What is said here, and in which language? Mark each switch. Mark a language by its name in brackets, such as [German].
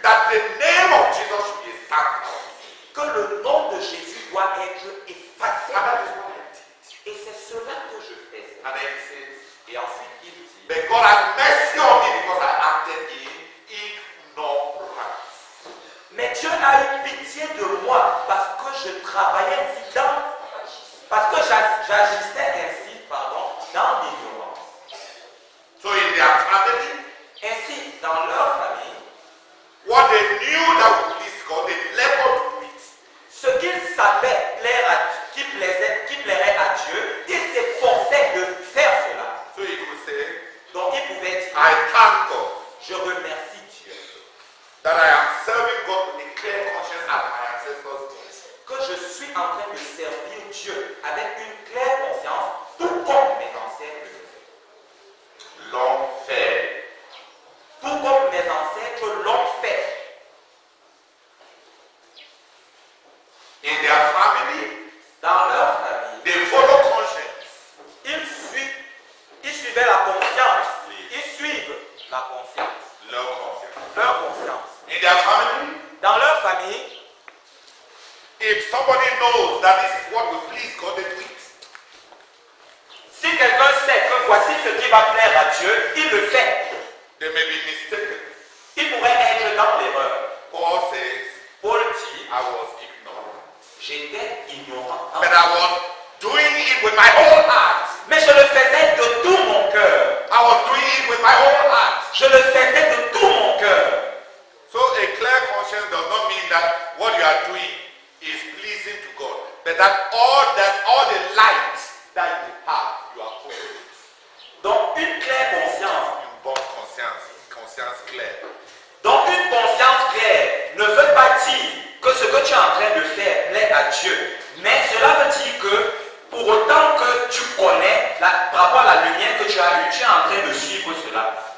[English] that the name of Jesus should be sacrificed. [French] Que le nom de Jésus doit être effacé. [English] And that is what I did. [French] Et c'est cela que je fais. [English] And then he says, [French] et ensuite il dit, [English] but God had mercy on me because I acted in ignorance. [French] Mais Dieu a eu pitié de moi parce que je travaillais ainsi dans, parce que j'agissais ainsi, pardon, dans l'ignorance. [English] So in their family, [French] ainsi dans leur famille, [English] what they knew that would please God, they labored with. [French] Ce qu'ils savaient plaire à, qui plairait à Dieu, ils s'efforçaient de faire cela. [English] So he could say, [French] donc ils pouvaient dire, [English] I thank God, [French] je remercie Dieu, [English] that I am serving God with a clear conscience as my ancestors did. [French] Que je suis en train de servir Dieu avec une claire conscience, tout comme mes ancêtres. L'enfer. Tout comme mes ancêtres l'ont fait. [English] In their family, [French] dans leur famille, [English] they follow conscience. [French] Ils suivaient la conscience. [English] Please. [French] Ils suivent la conscience. Leur conscience. Leur conscience. [English] In their family, [French] dans leur famille, [English] if somebody knows that this is what will please God, they do it. [French] Si quelqu'un sait que voici ce qui va plaire à Dieu, il le fait. [English] They may be mistaken. [French] Il pourrait être dans l'erreur. [English] Paul says, [French] Paul dit, [English] I was ignorant. [French] J'étais ignorant. [English] But I was doing it with my whole heart. [French] Mais je le faisais de tout mon cœur. [English] I was doing it with my whole heart. [French] Je le faisais de tout mon cœur. [English] So a clear conscience does not mean that what you are doing is pleasing to God, but that all the light that you have, you are full of it. [French] Donc une claire conscience. Conscience claire. Donc une conscience claire ne veut pas dire que ce que tu es en train de faire plaît à Dieu. Mais cela veut dire que pour autant que tu connais la, par rapport à la lumière que tu as eue, tu es en train de suivre cela.